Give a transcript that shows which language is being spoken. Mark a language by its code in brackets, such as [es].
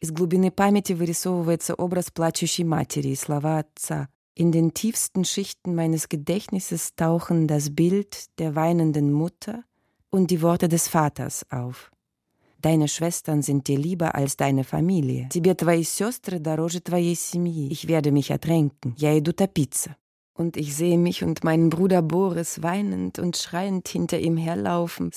[ru] Из глубины памяти вырисовывается образ плачущей матери и слова отца. [de] In den tiefsten Schichten meines Gedächtnisses tauchen das Bild der weinenden Mutter und die Worte des Vaters auf. Deine Schwestern sind dir lieber als deine Familie. [ru] Тебе твои сестры дороже твоей семьи. [de] Ich werde mich ertränken. [ru] Я иду топиться. [de] Und ich sehe mich und meinen Bruder Boris weinend und schreiend hinter ihm herlaufen.